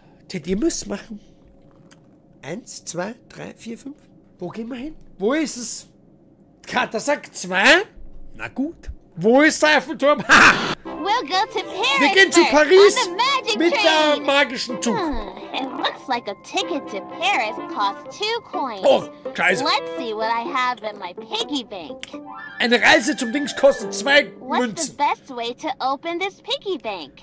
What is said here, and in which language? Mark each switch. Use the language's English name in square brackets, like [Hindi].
[German] Chet, ihr müsst's machen. 1, 2, 3, 4, 5. Wo gehen wir hin? Wo ist es? Kater sagt 2. Na gut. Wo ist der Eiffelturm? Ha! [English] We'll go to Paris. [German] Wir gehen zu Paris mit dem magischen Zug. [English] It looks like a ticket to Paris costs 2 coins. [German] Oh, scheiße. [English] Let's see what I have in my piggy bank. [German] Eine Reise zum Dings kostet 2 Münzen. [English] What's the best way to open this piggy bank?